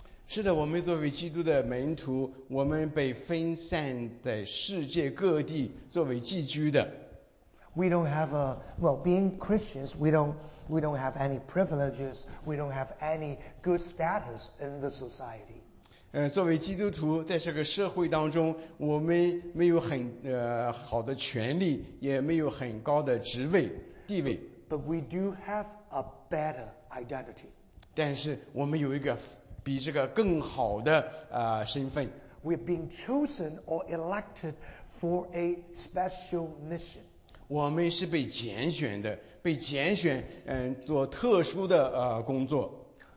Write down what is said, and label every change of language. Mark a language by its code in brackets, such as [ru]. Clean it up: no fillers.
[zh] 是的，我们作为基督的门徒，我们被分散在世界各地作为寄居的。 [en] We don't have being Christians, we don't have any privileges, we don't have any good status in the society. [zh] 作为基督徒在这个社会当中，我们没有很好的权利，也没有很高的职位地位。 [en] But we do have a better identity. [zh] 但是我们有一个比这个更好的身份。 [en] We're being chosen or elected for a special mission. [zh] 我们是被拣选的，被拣选，做特殊的工作。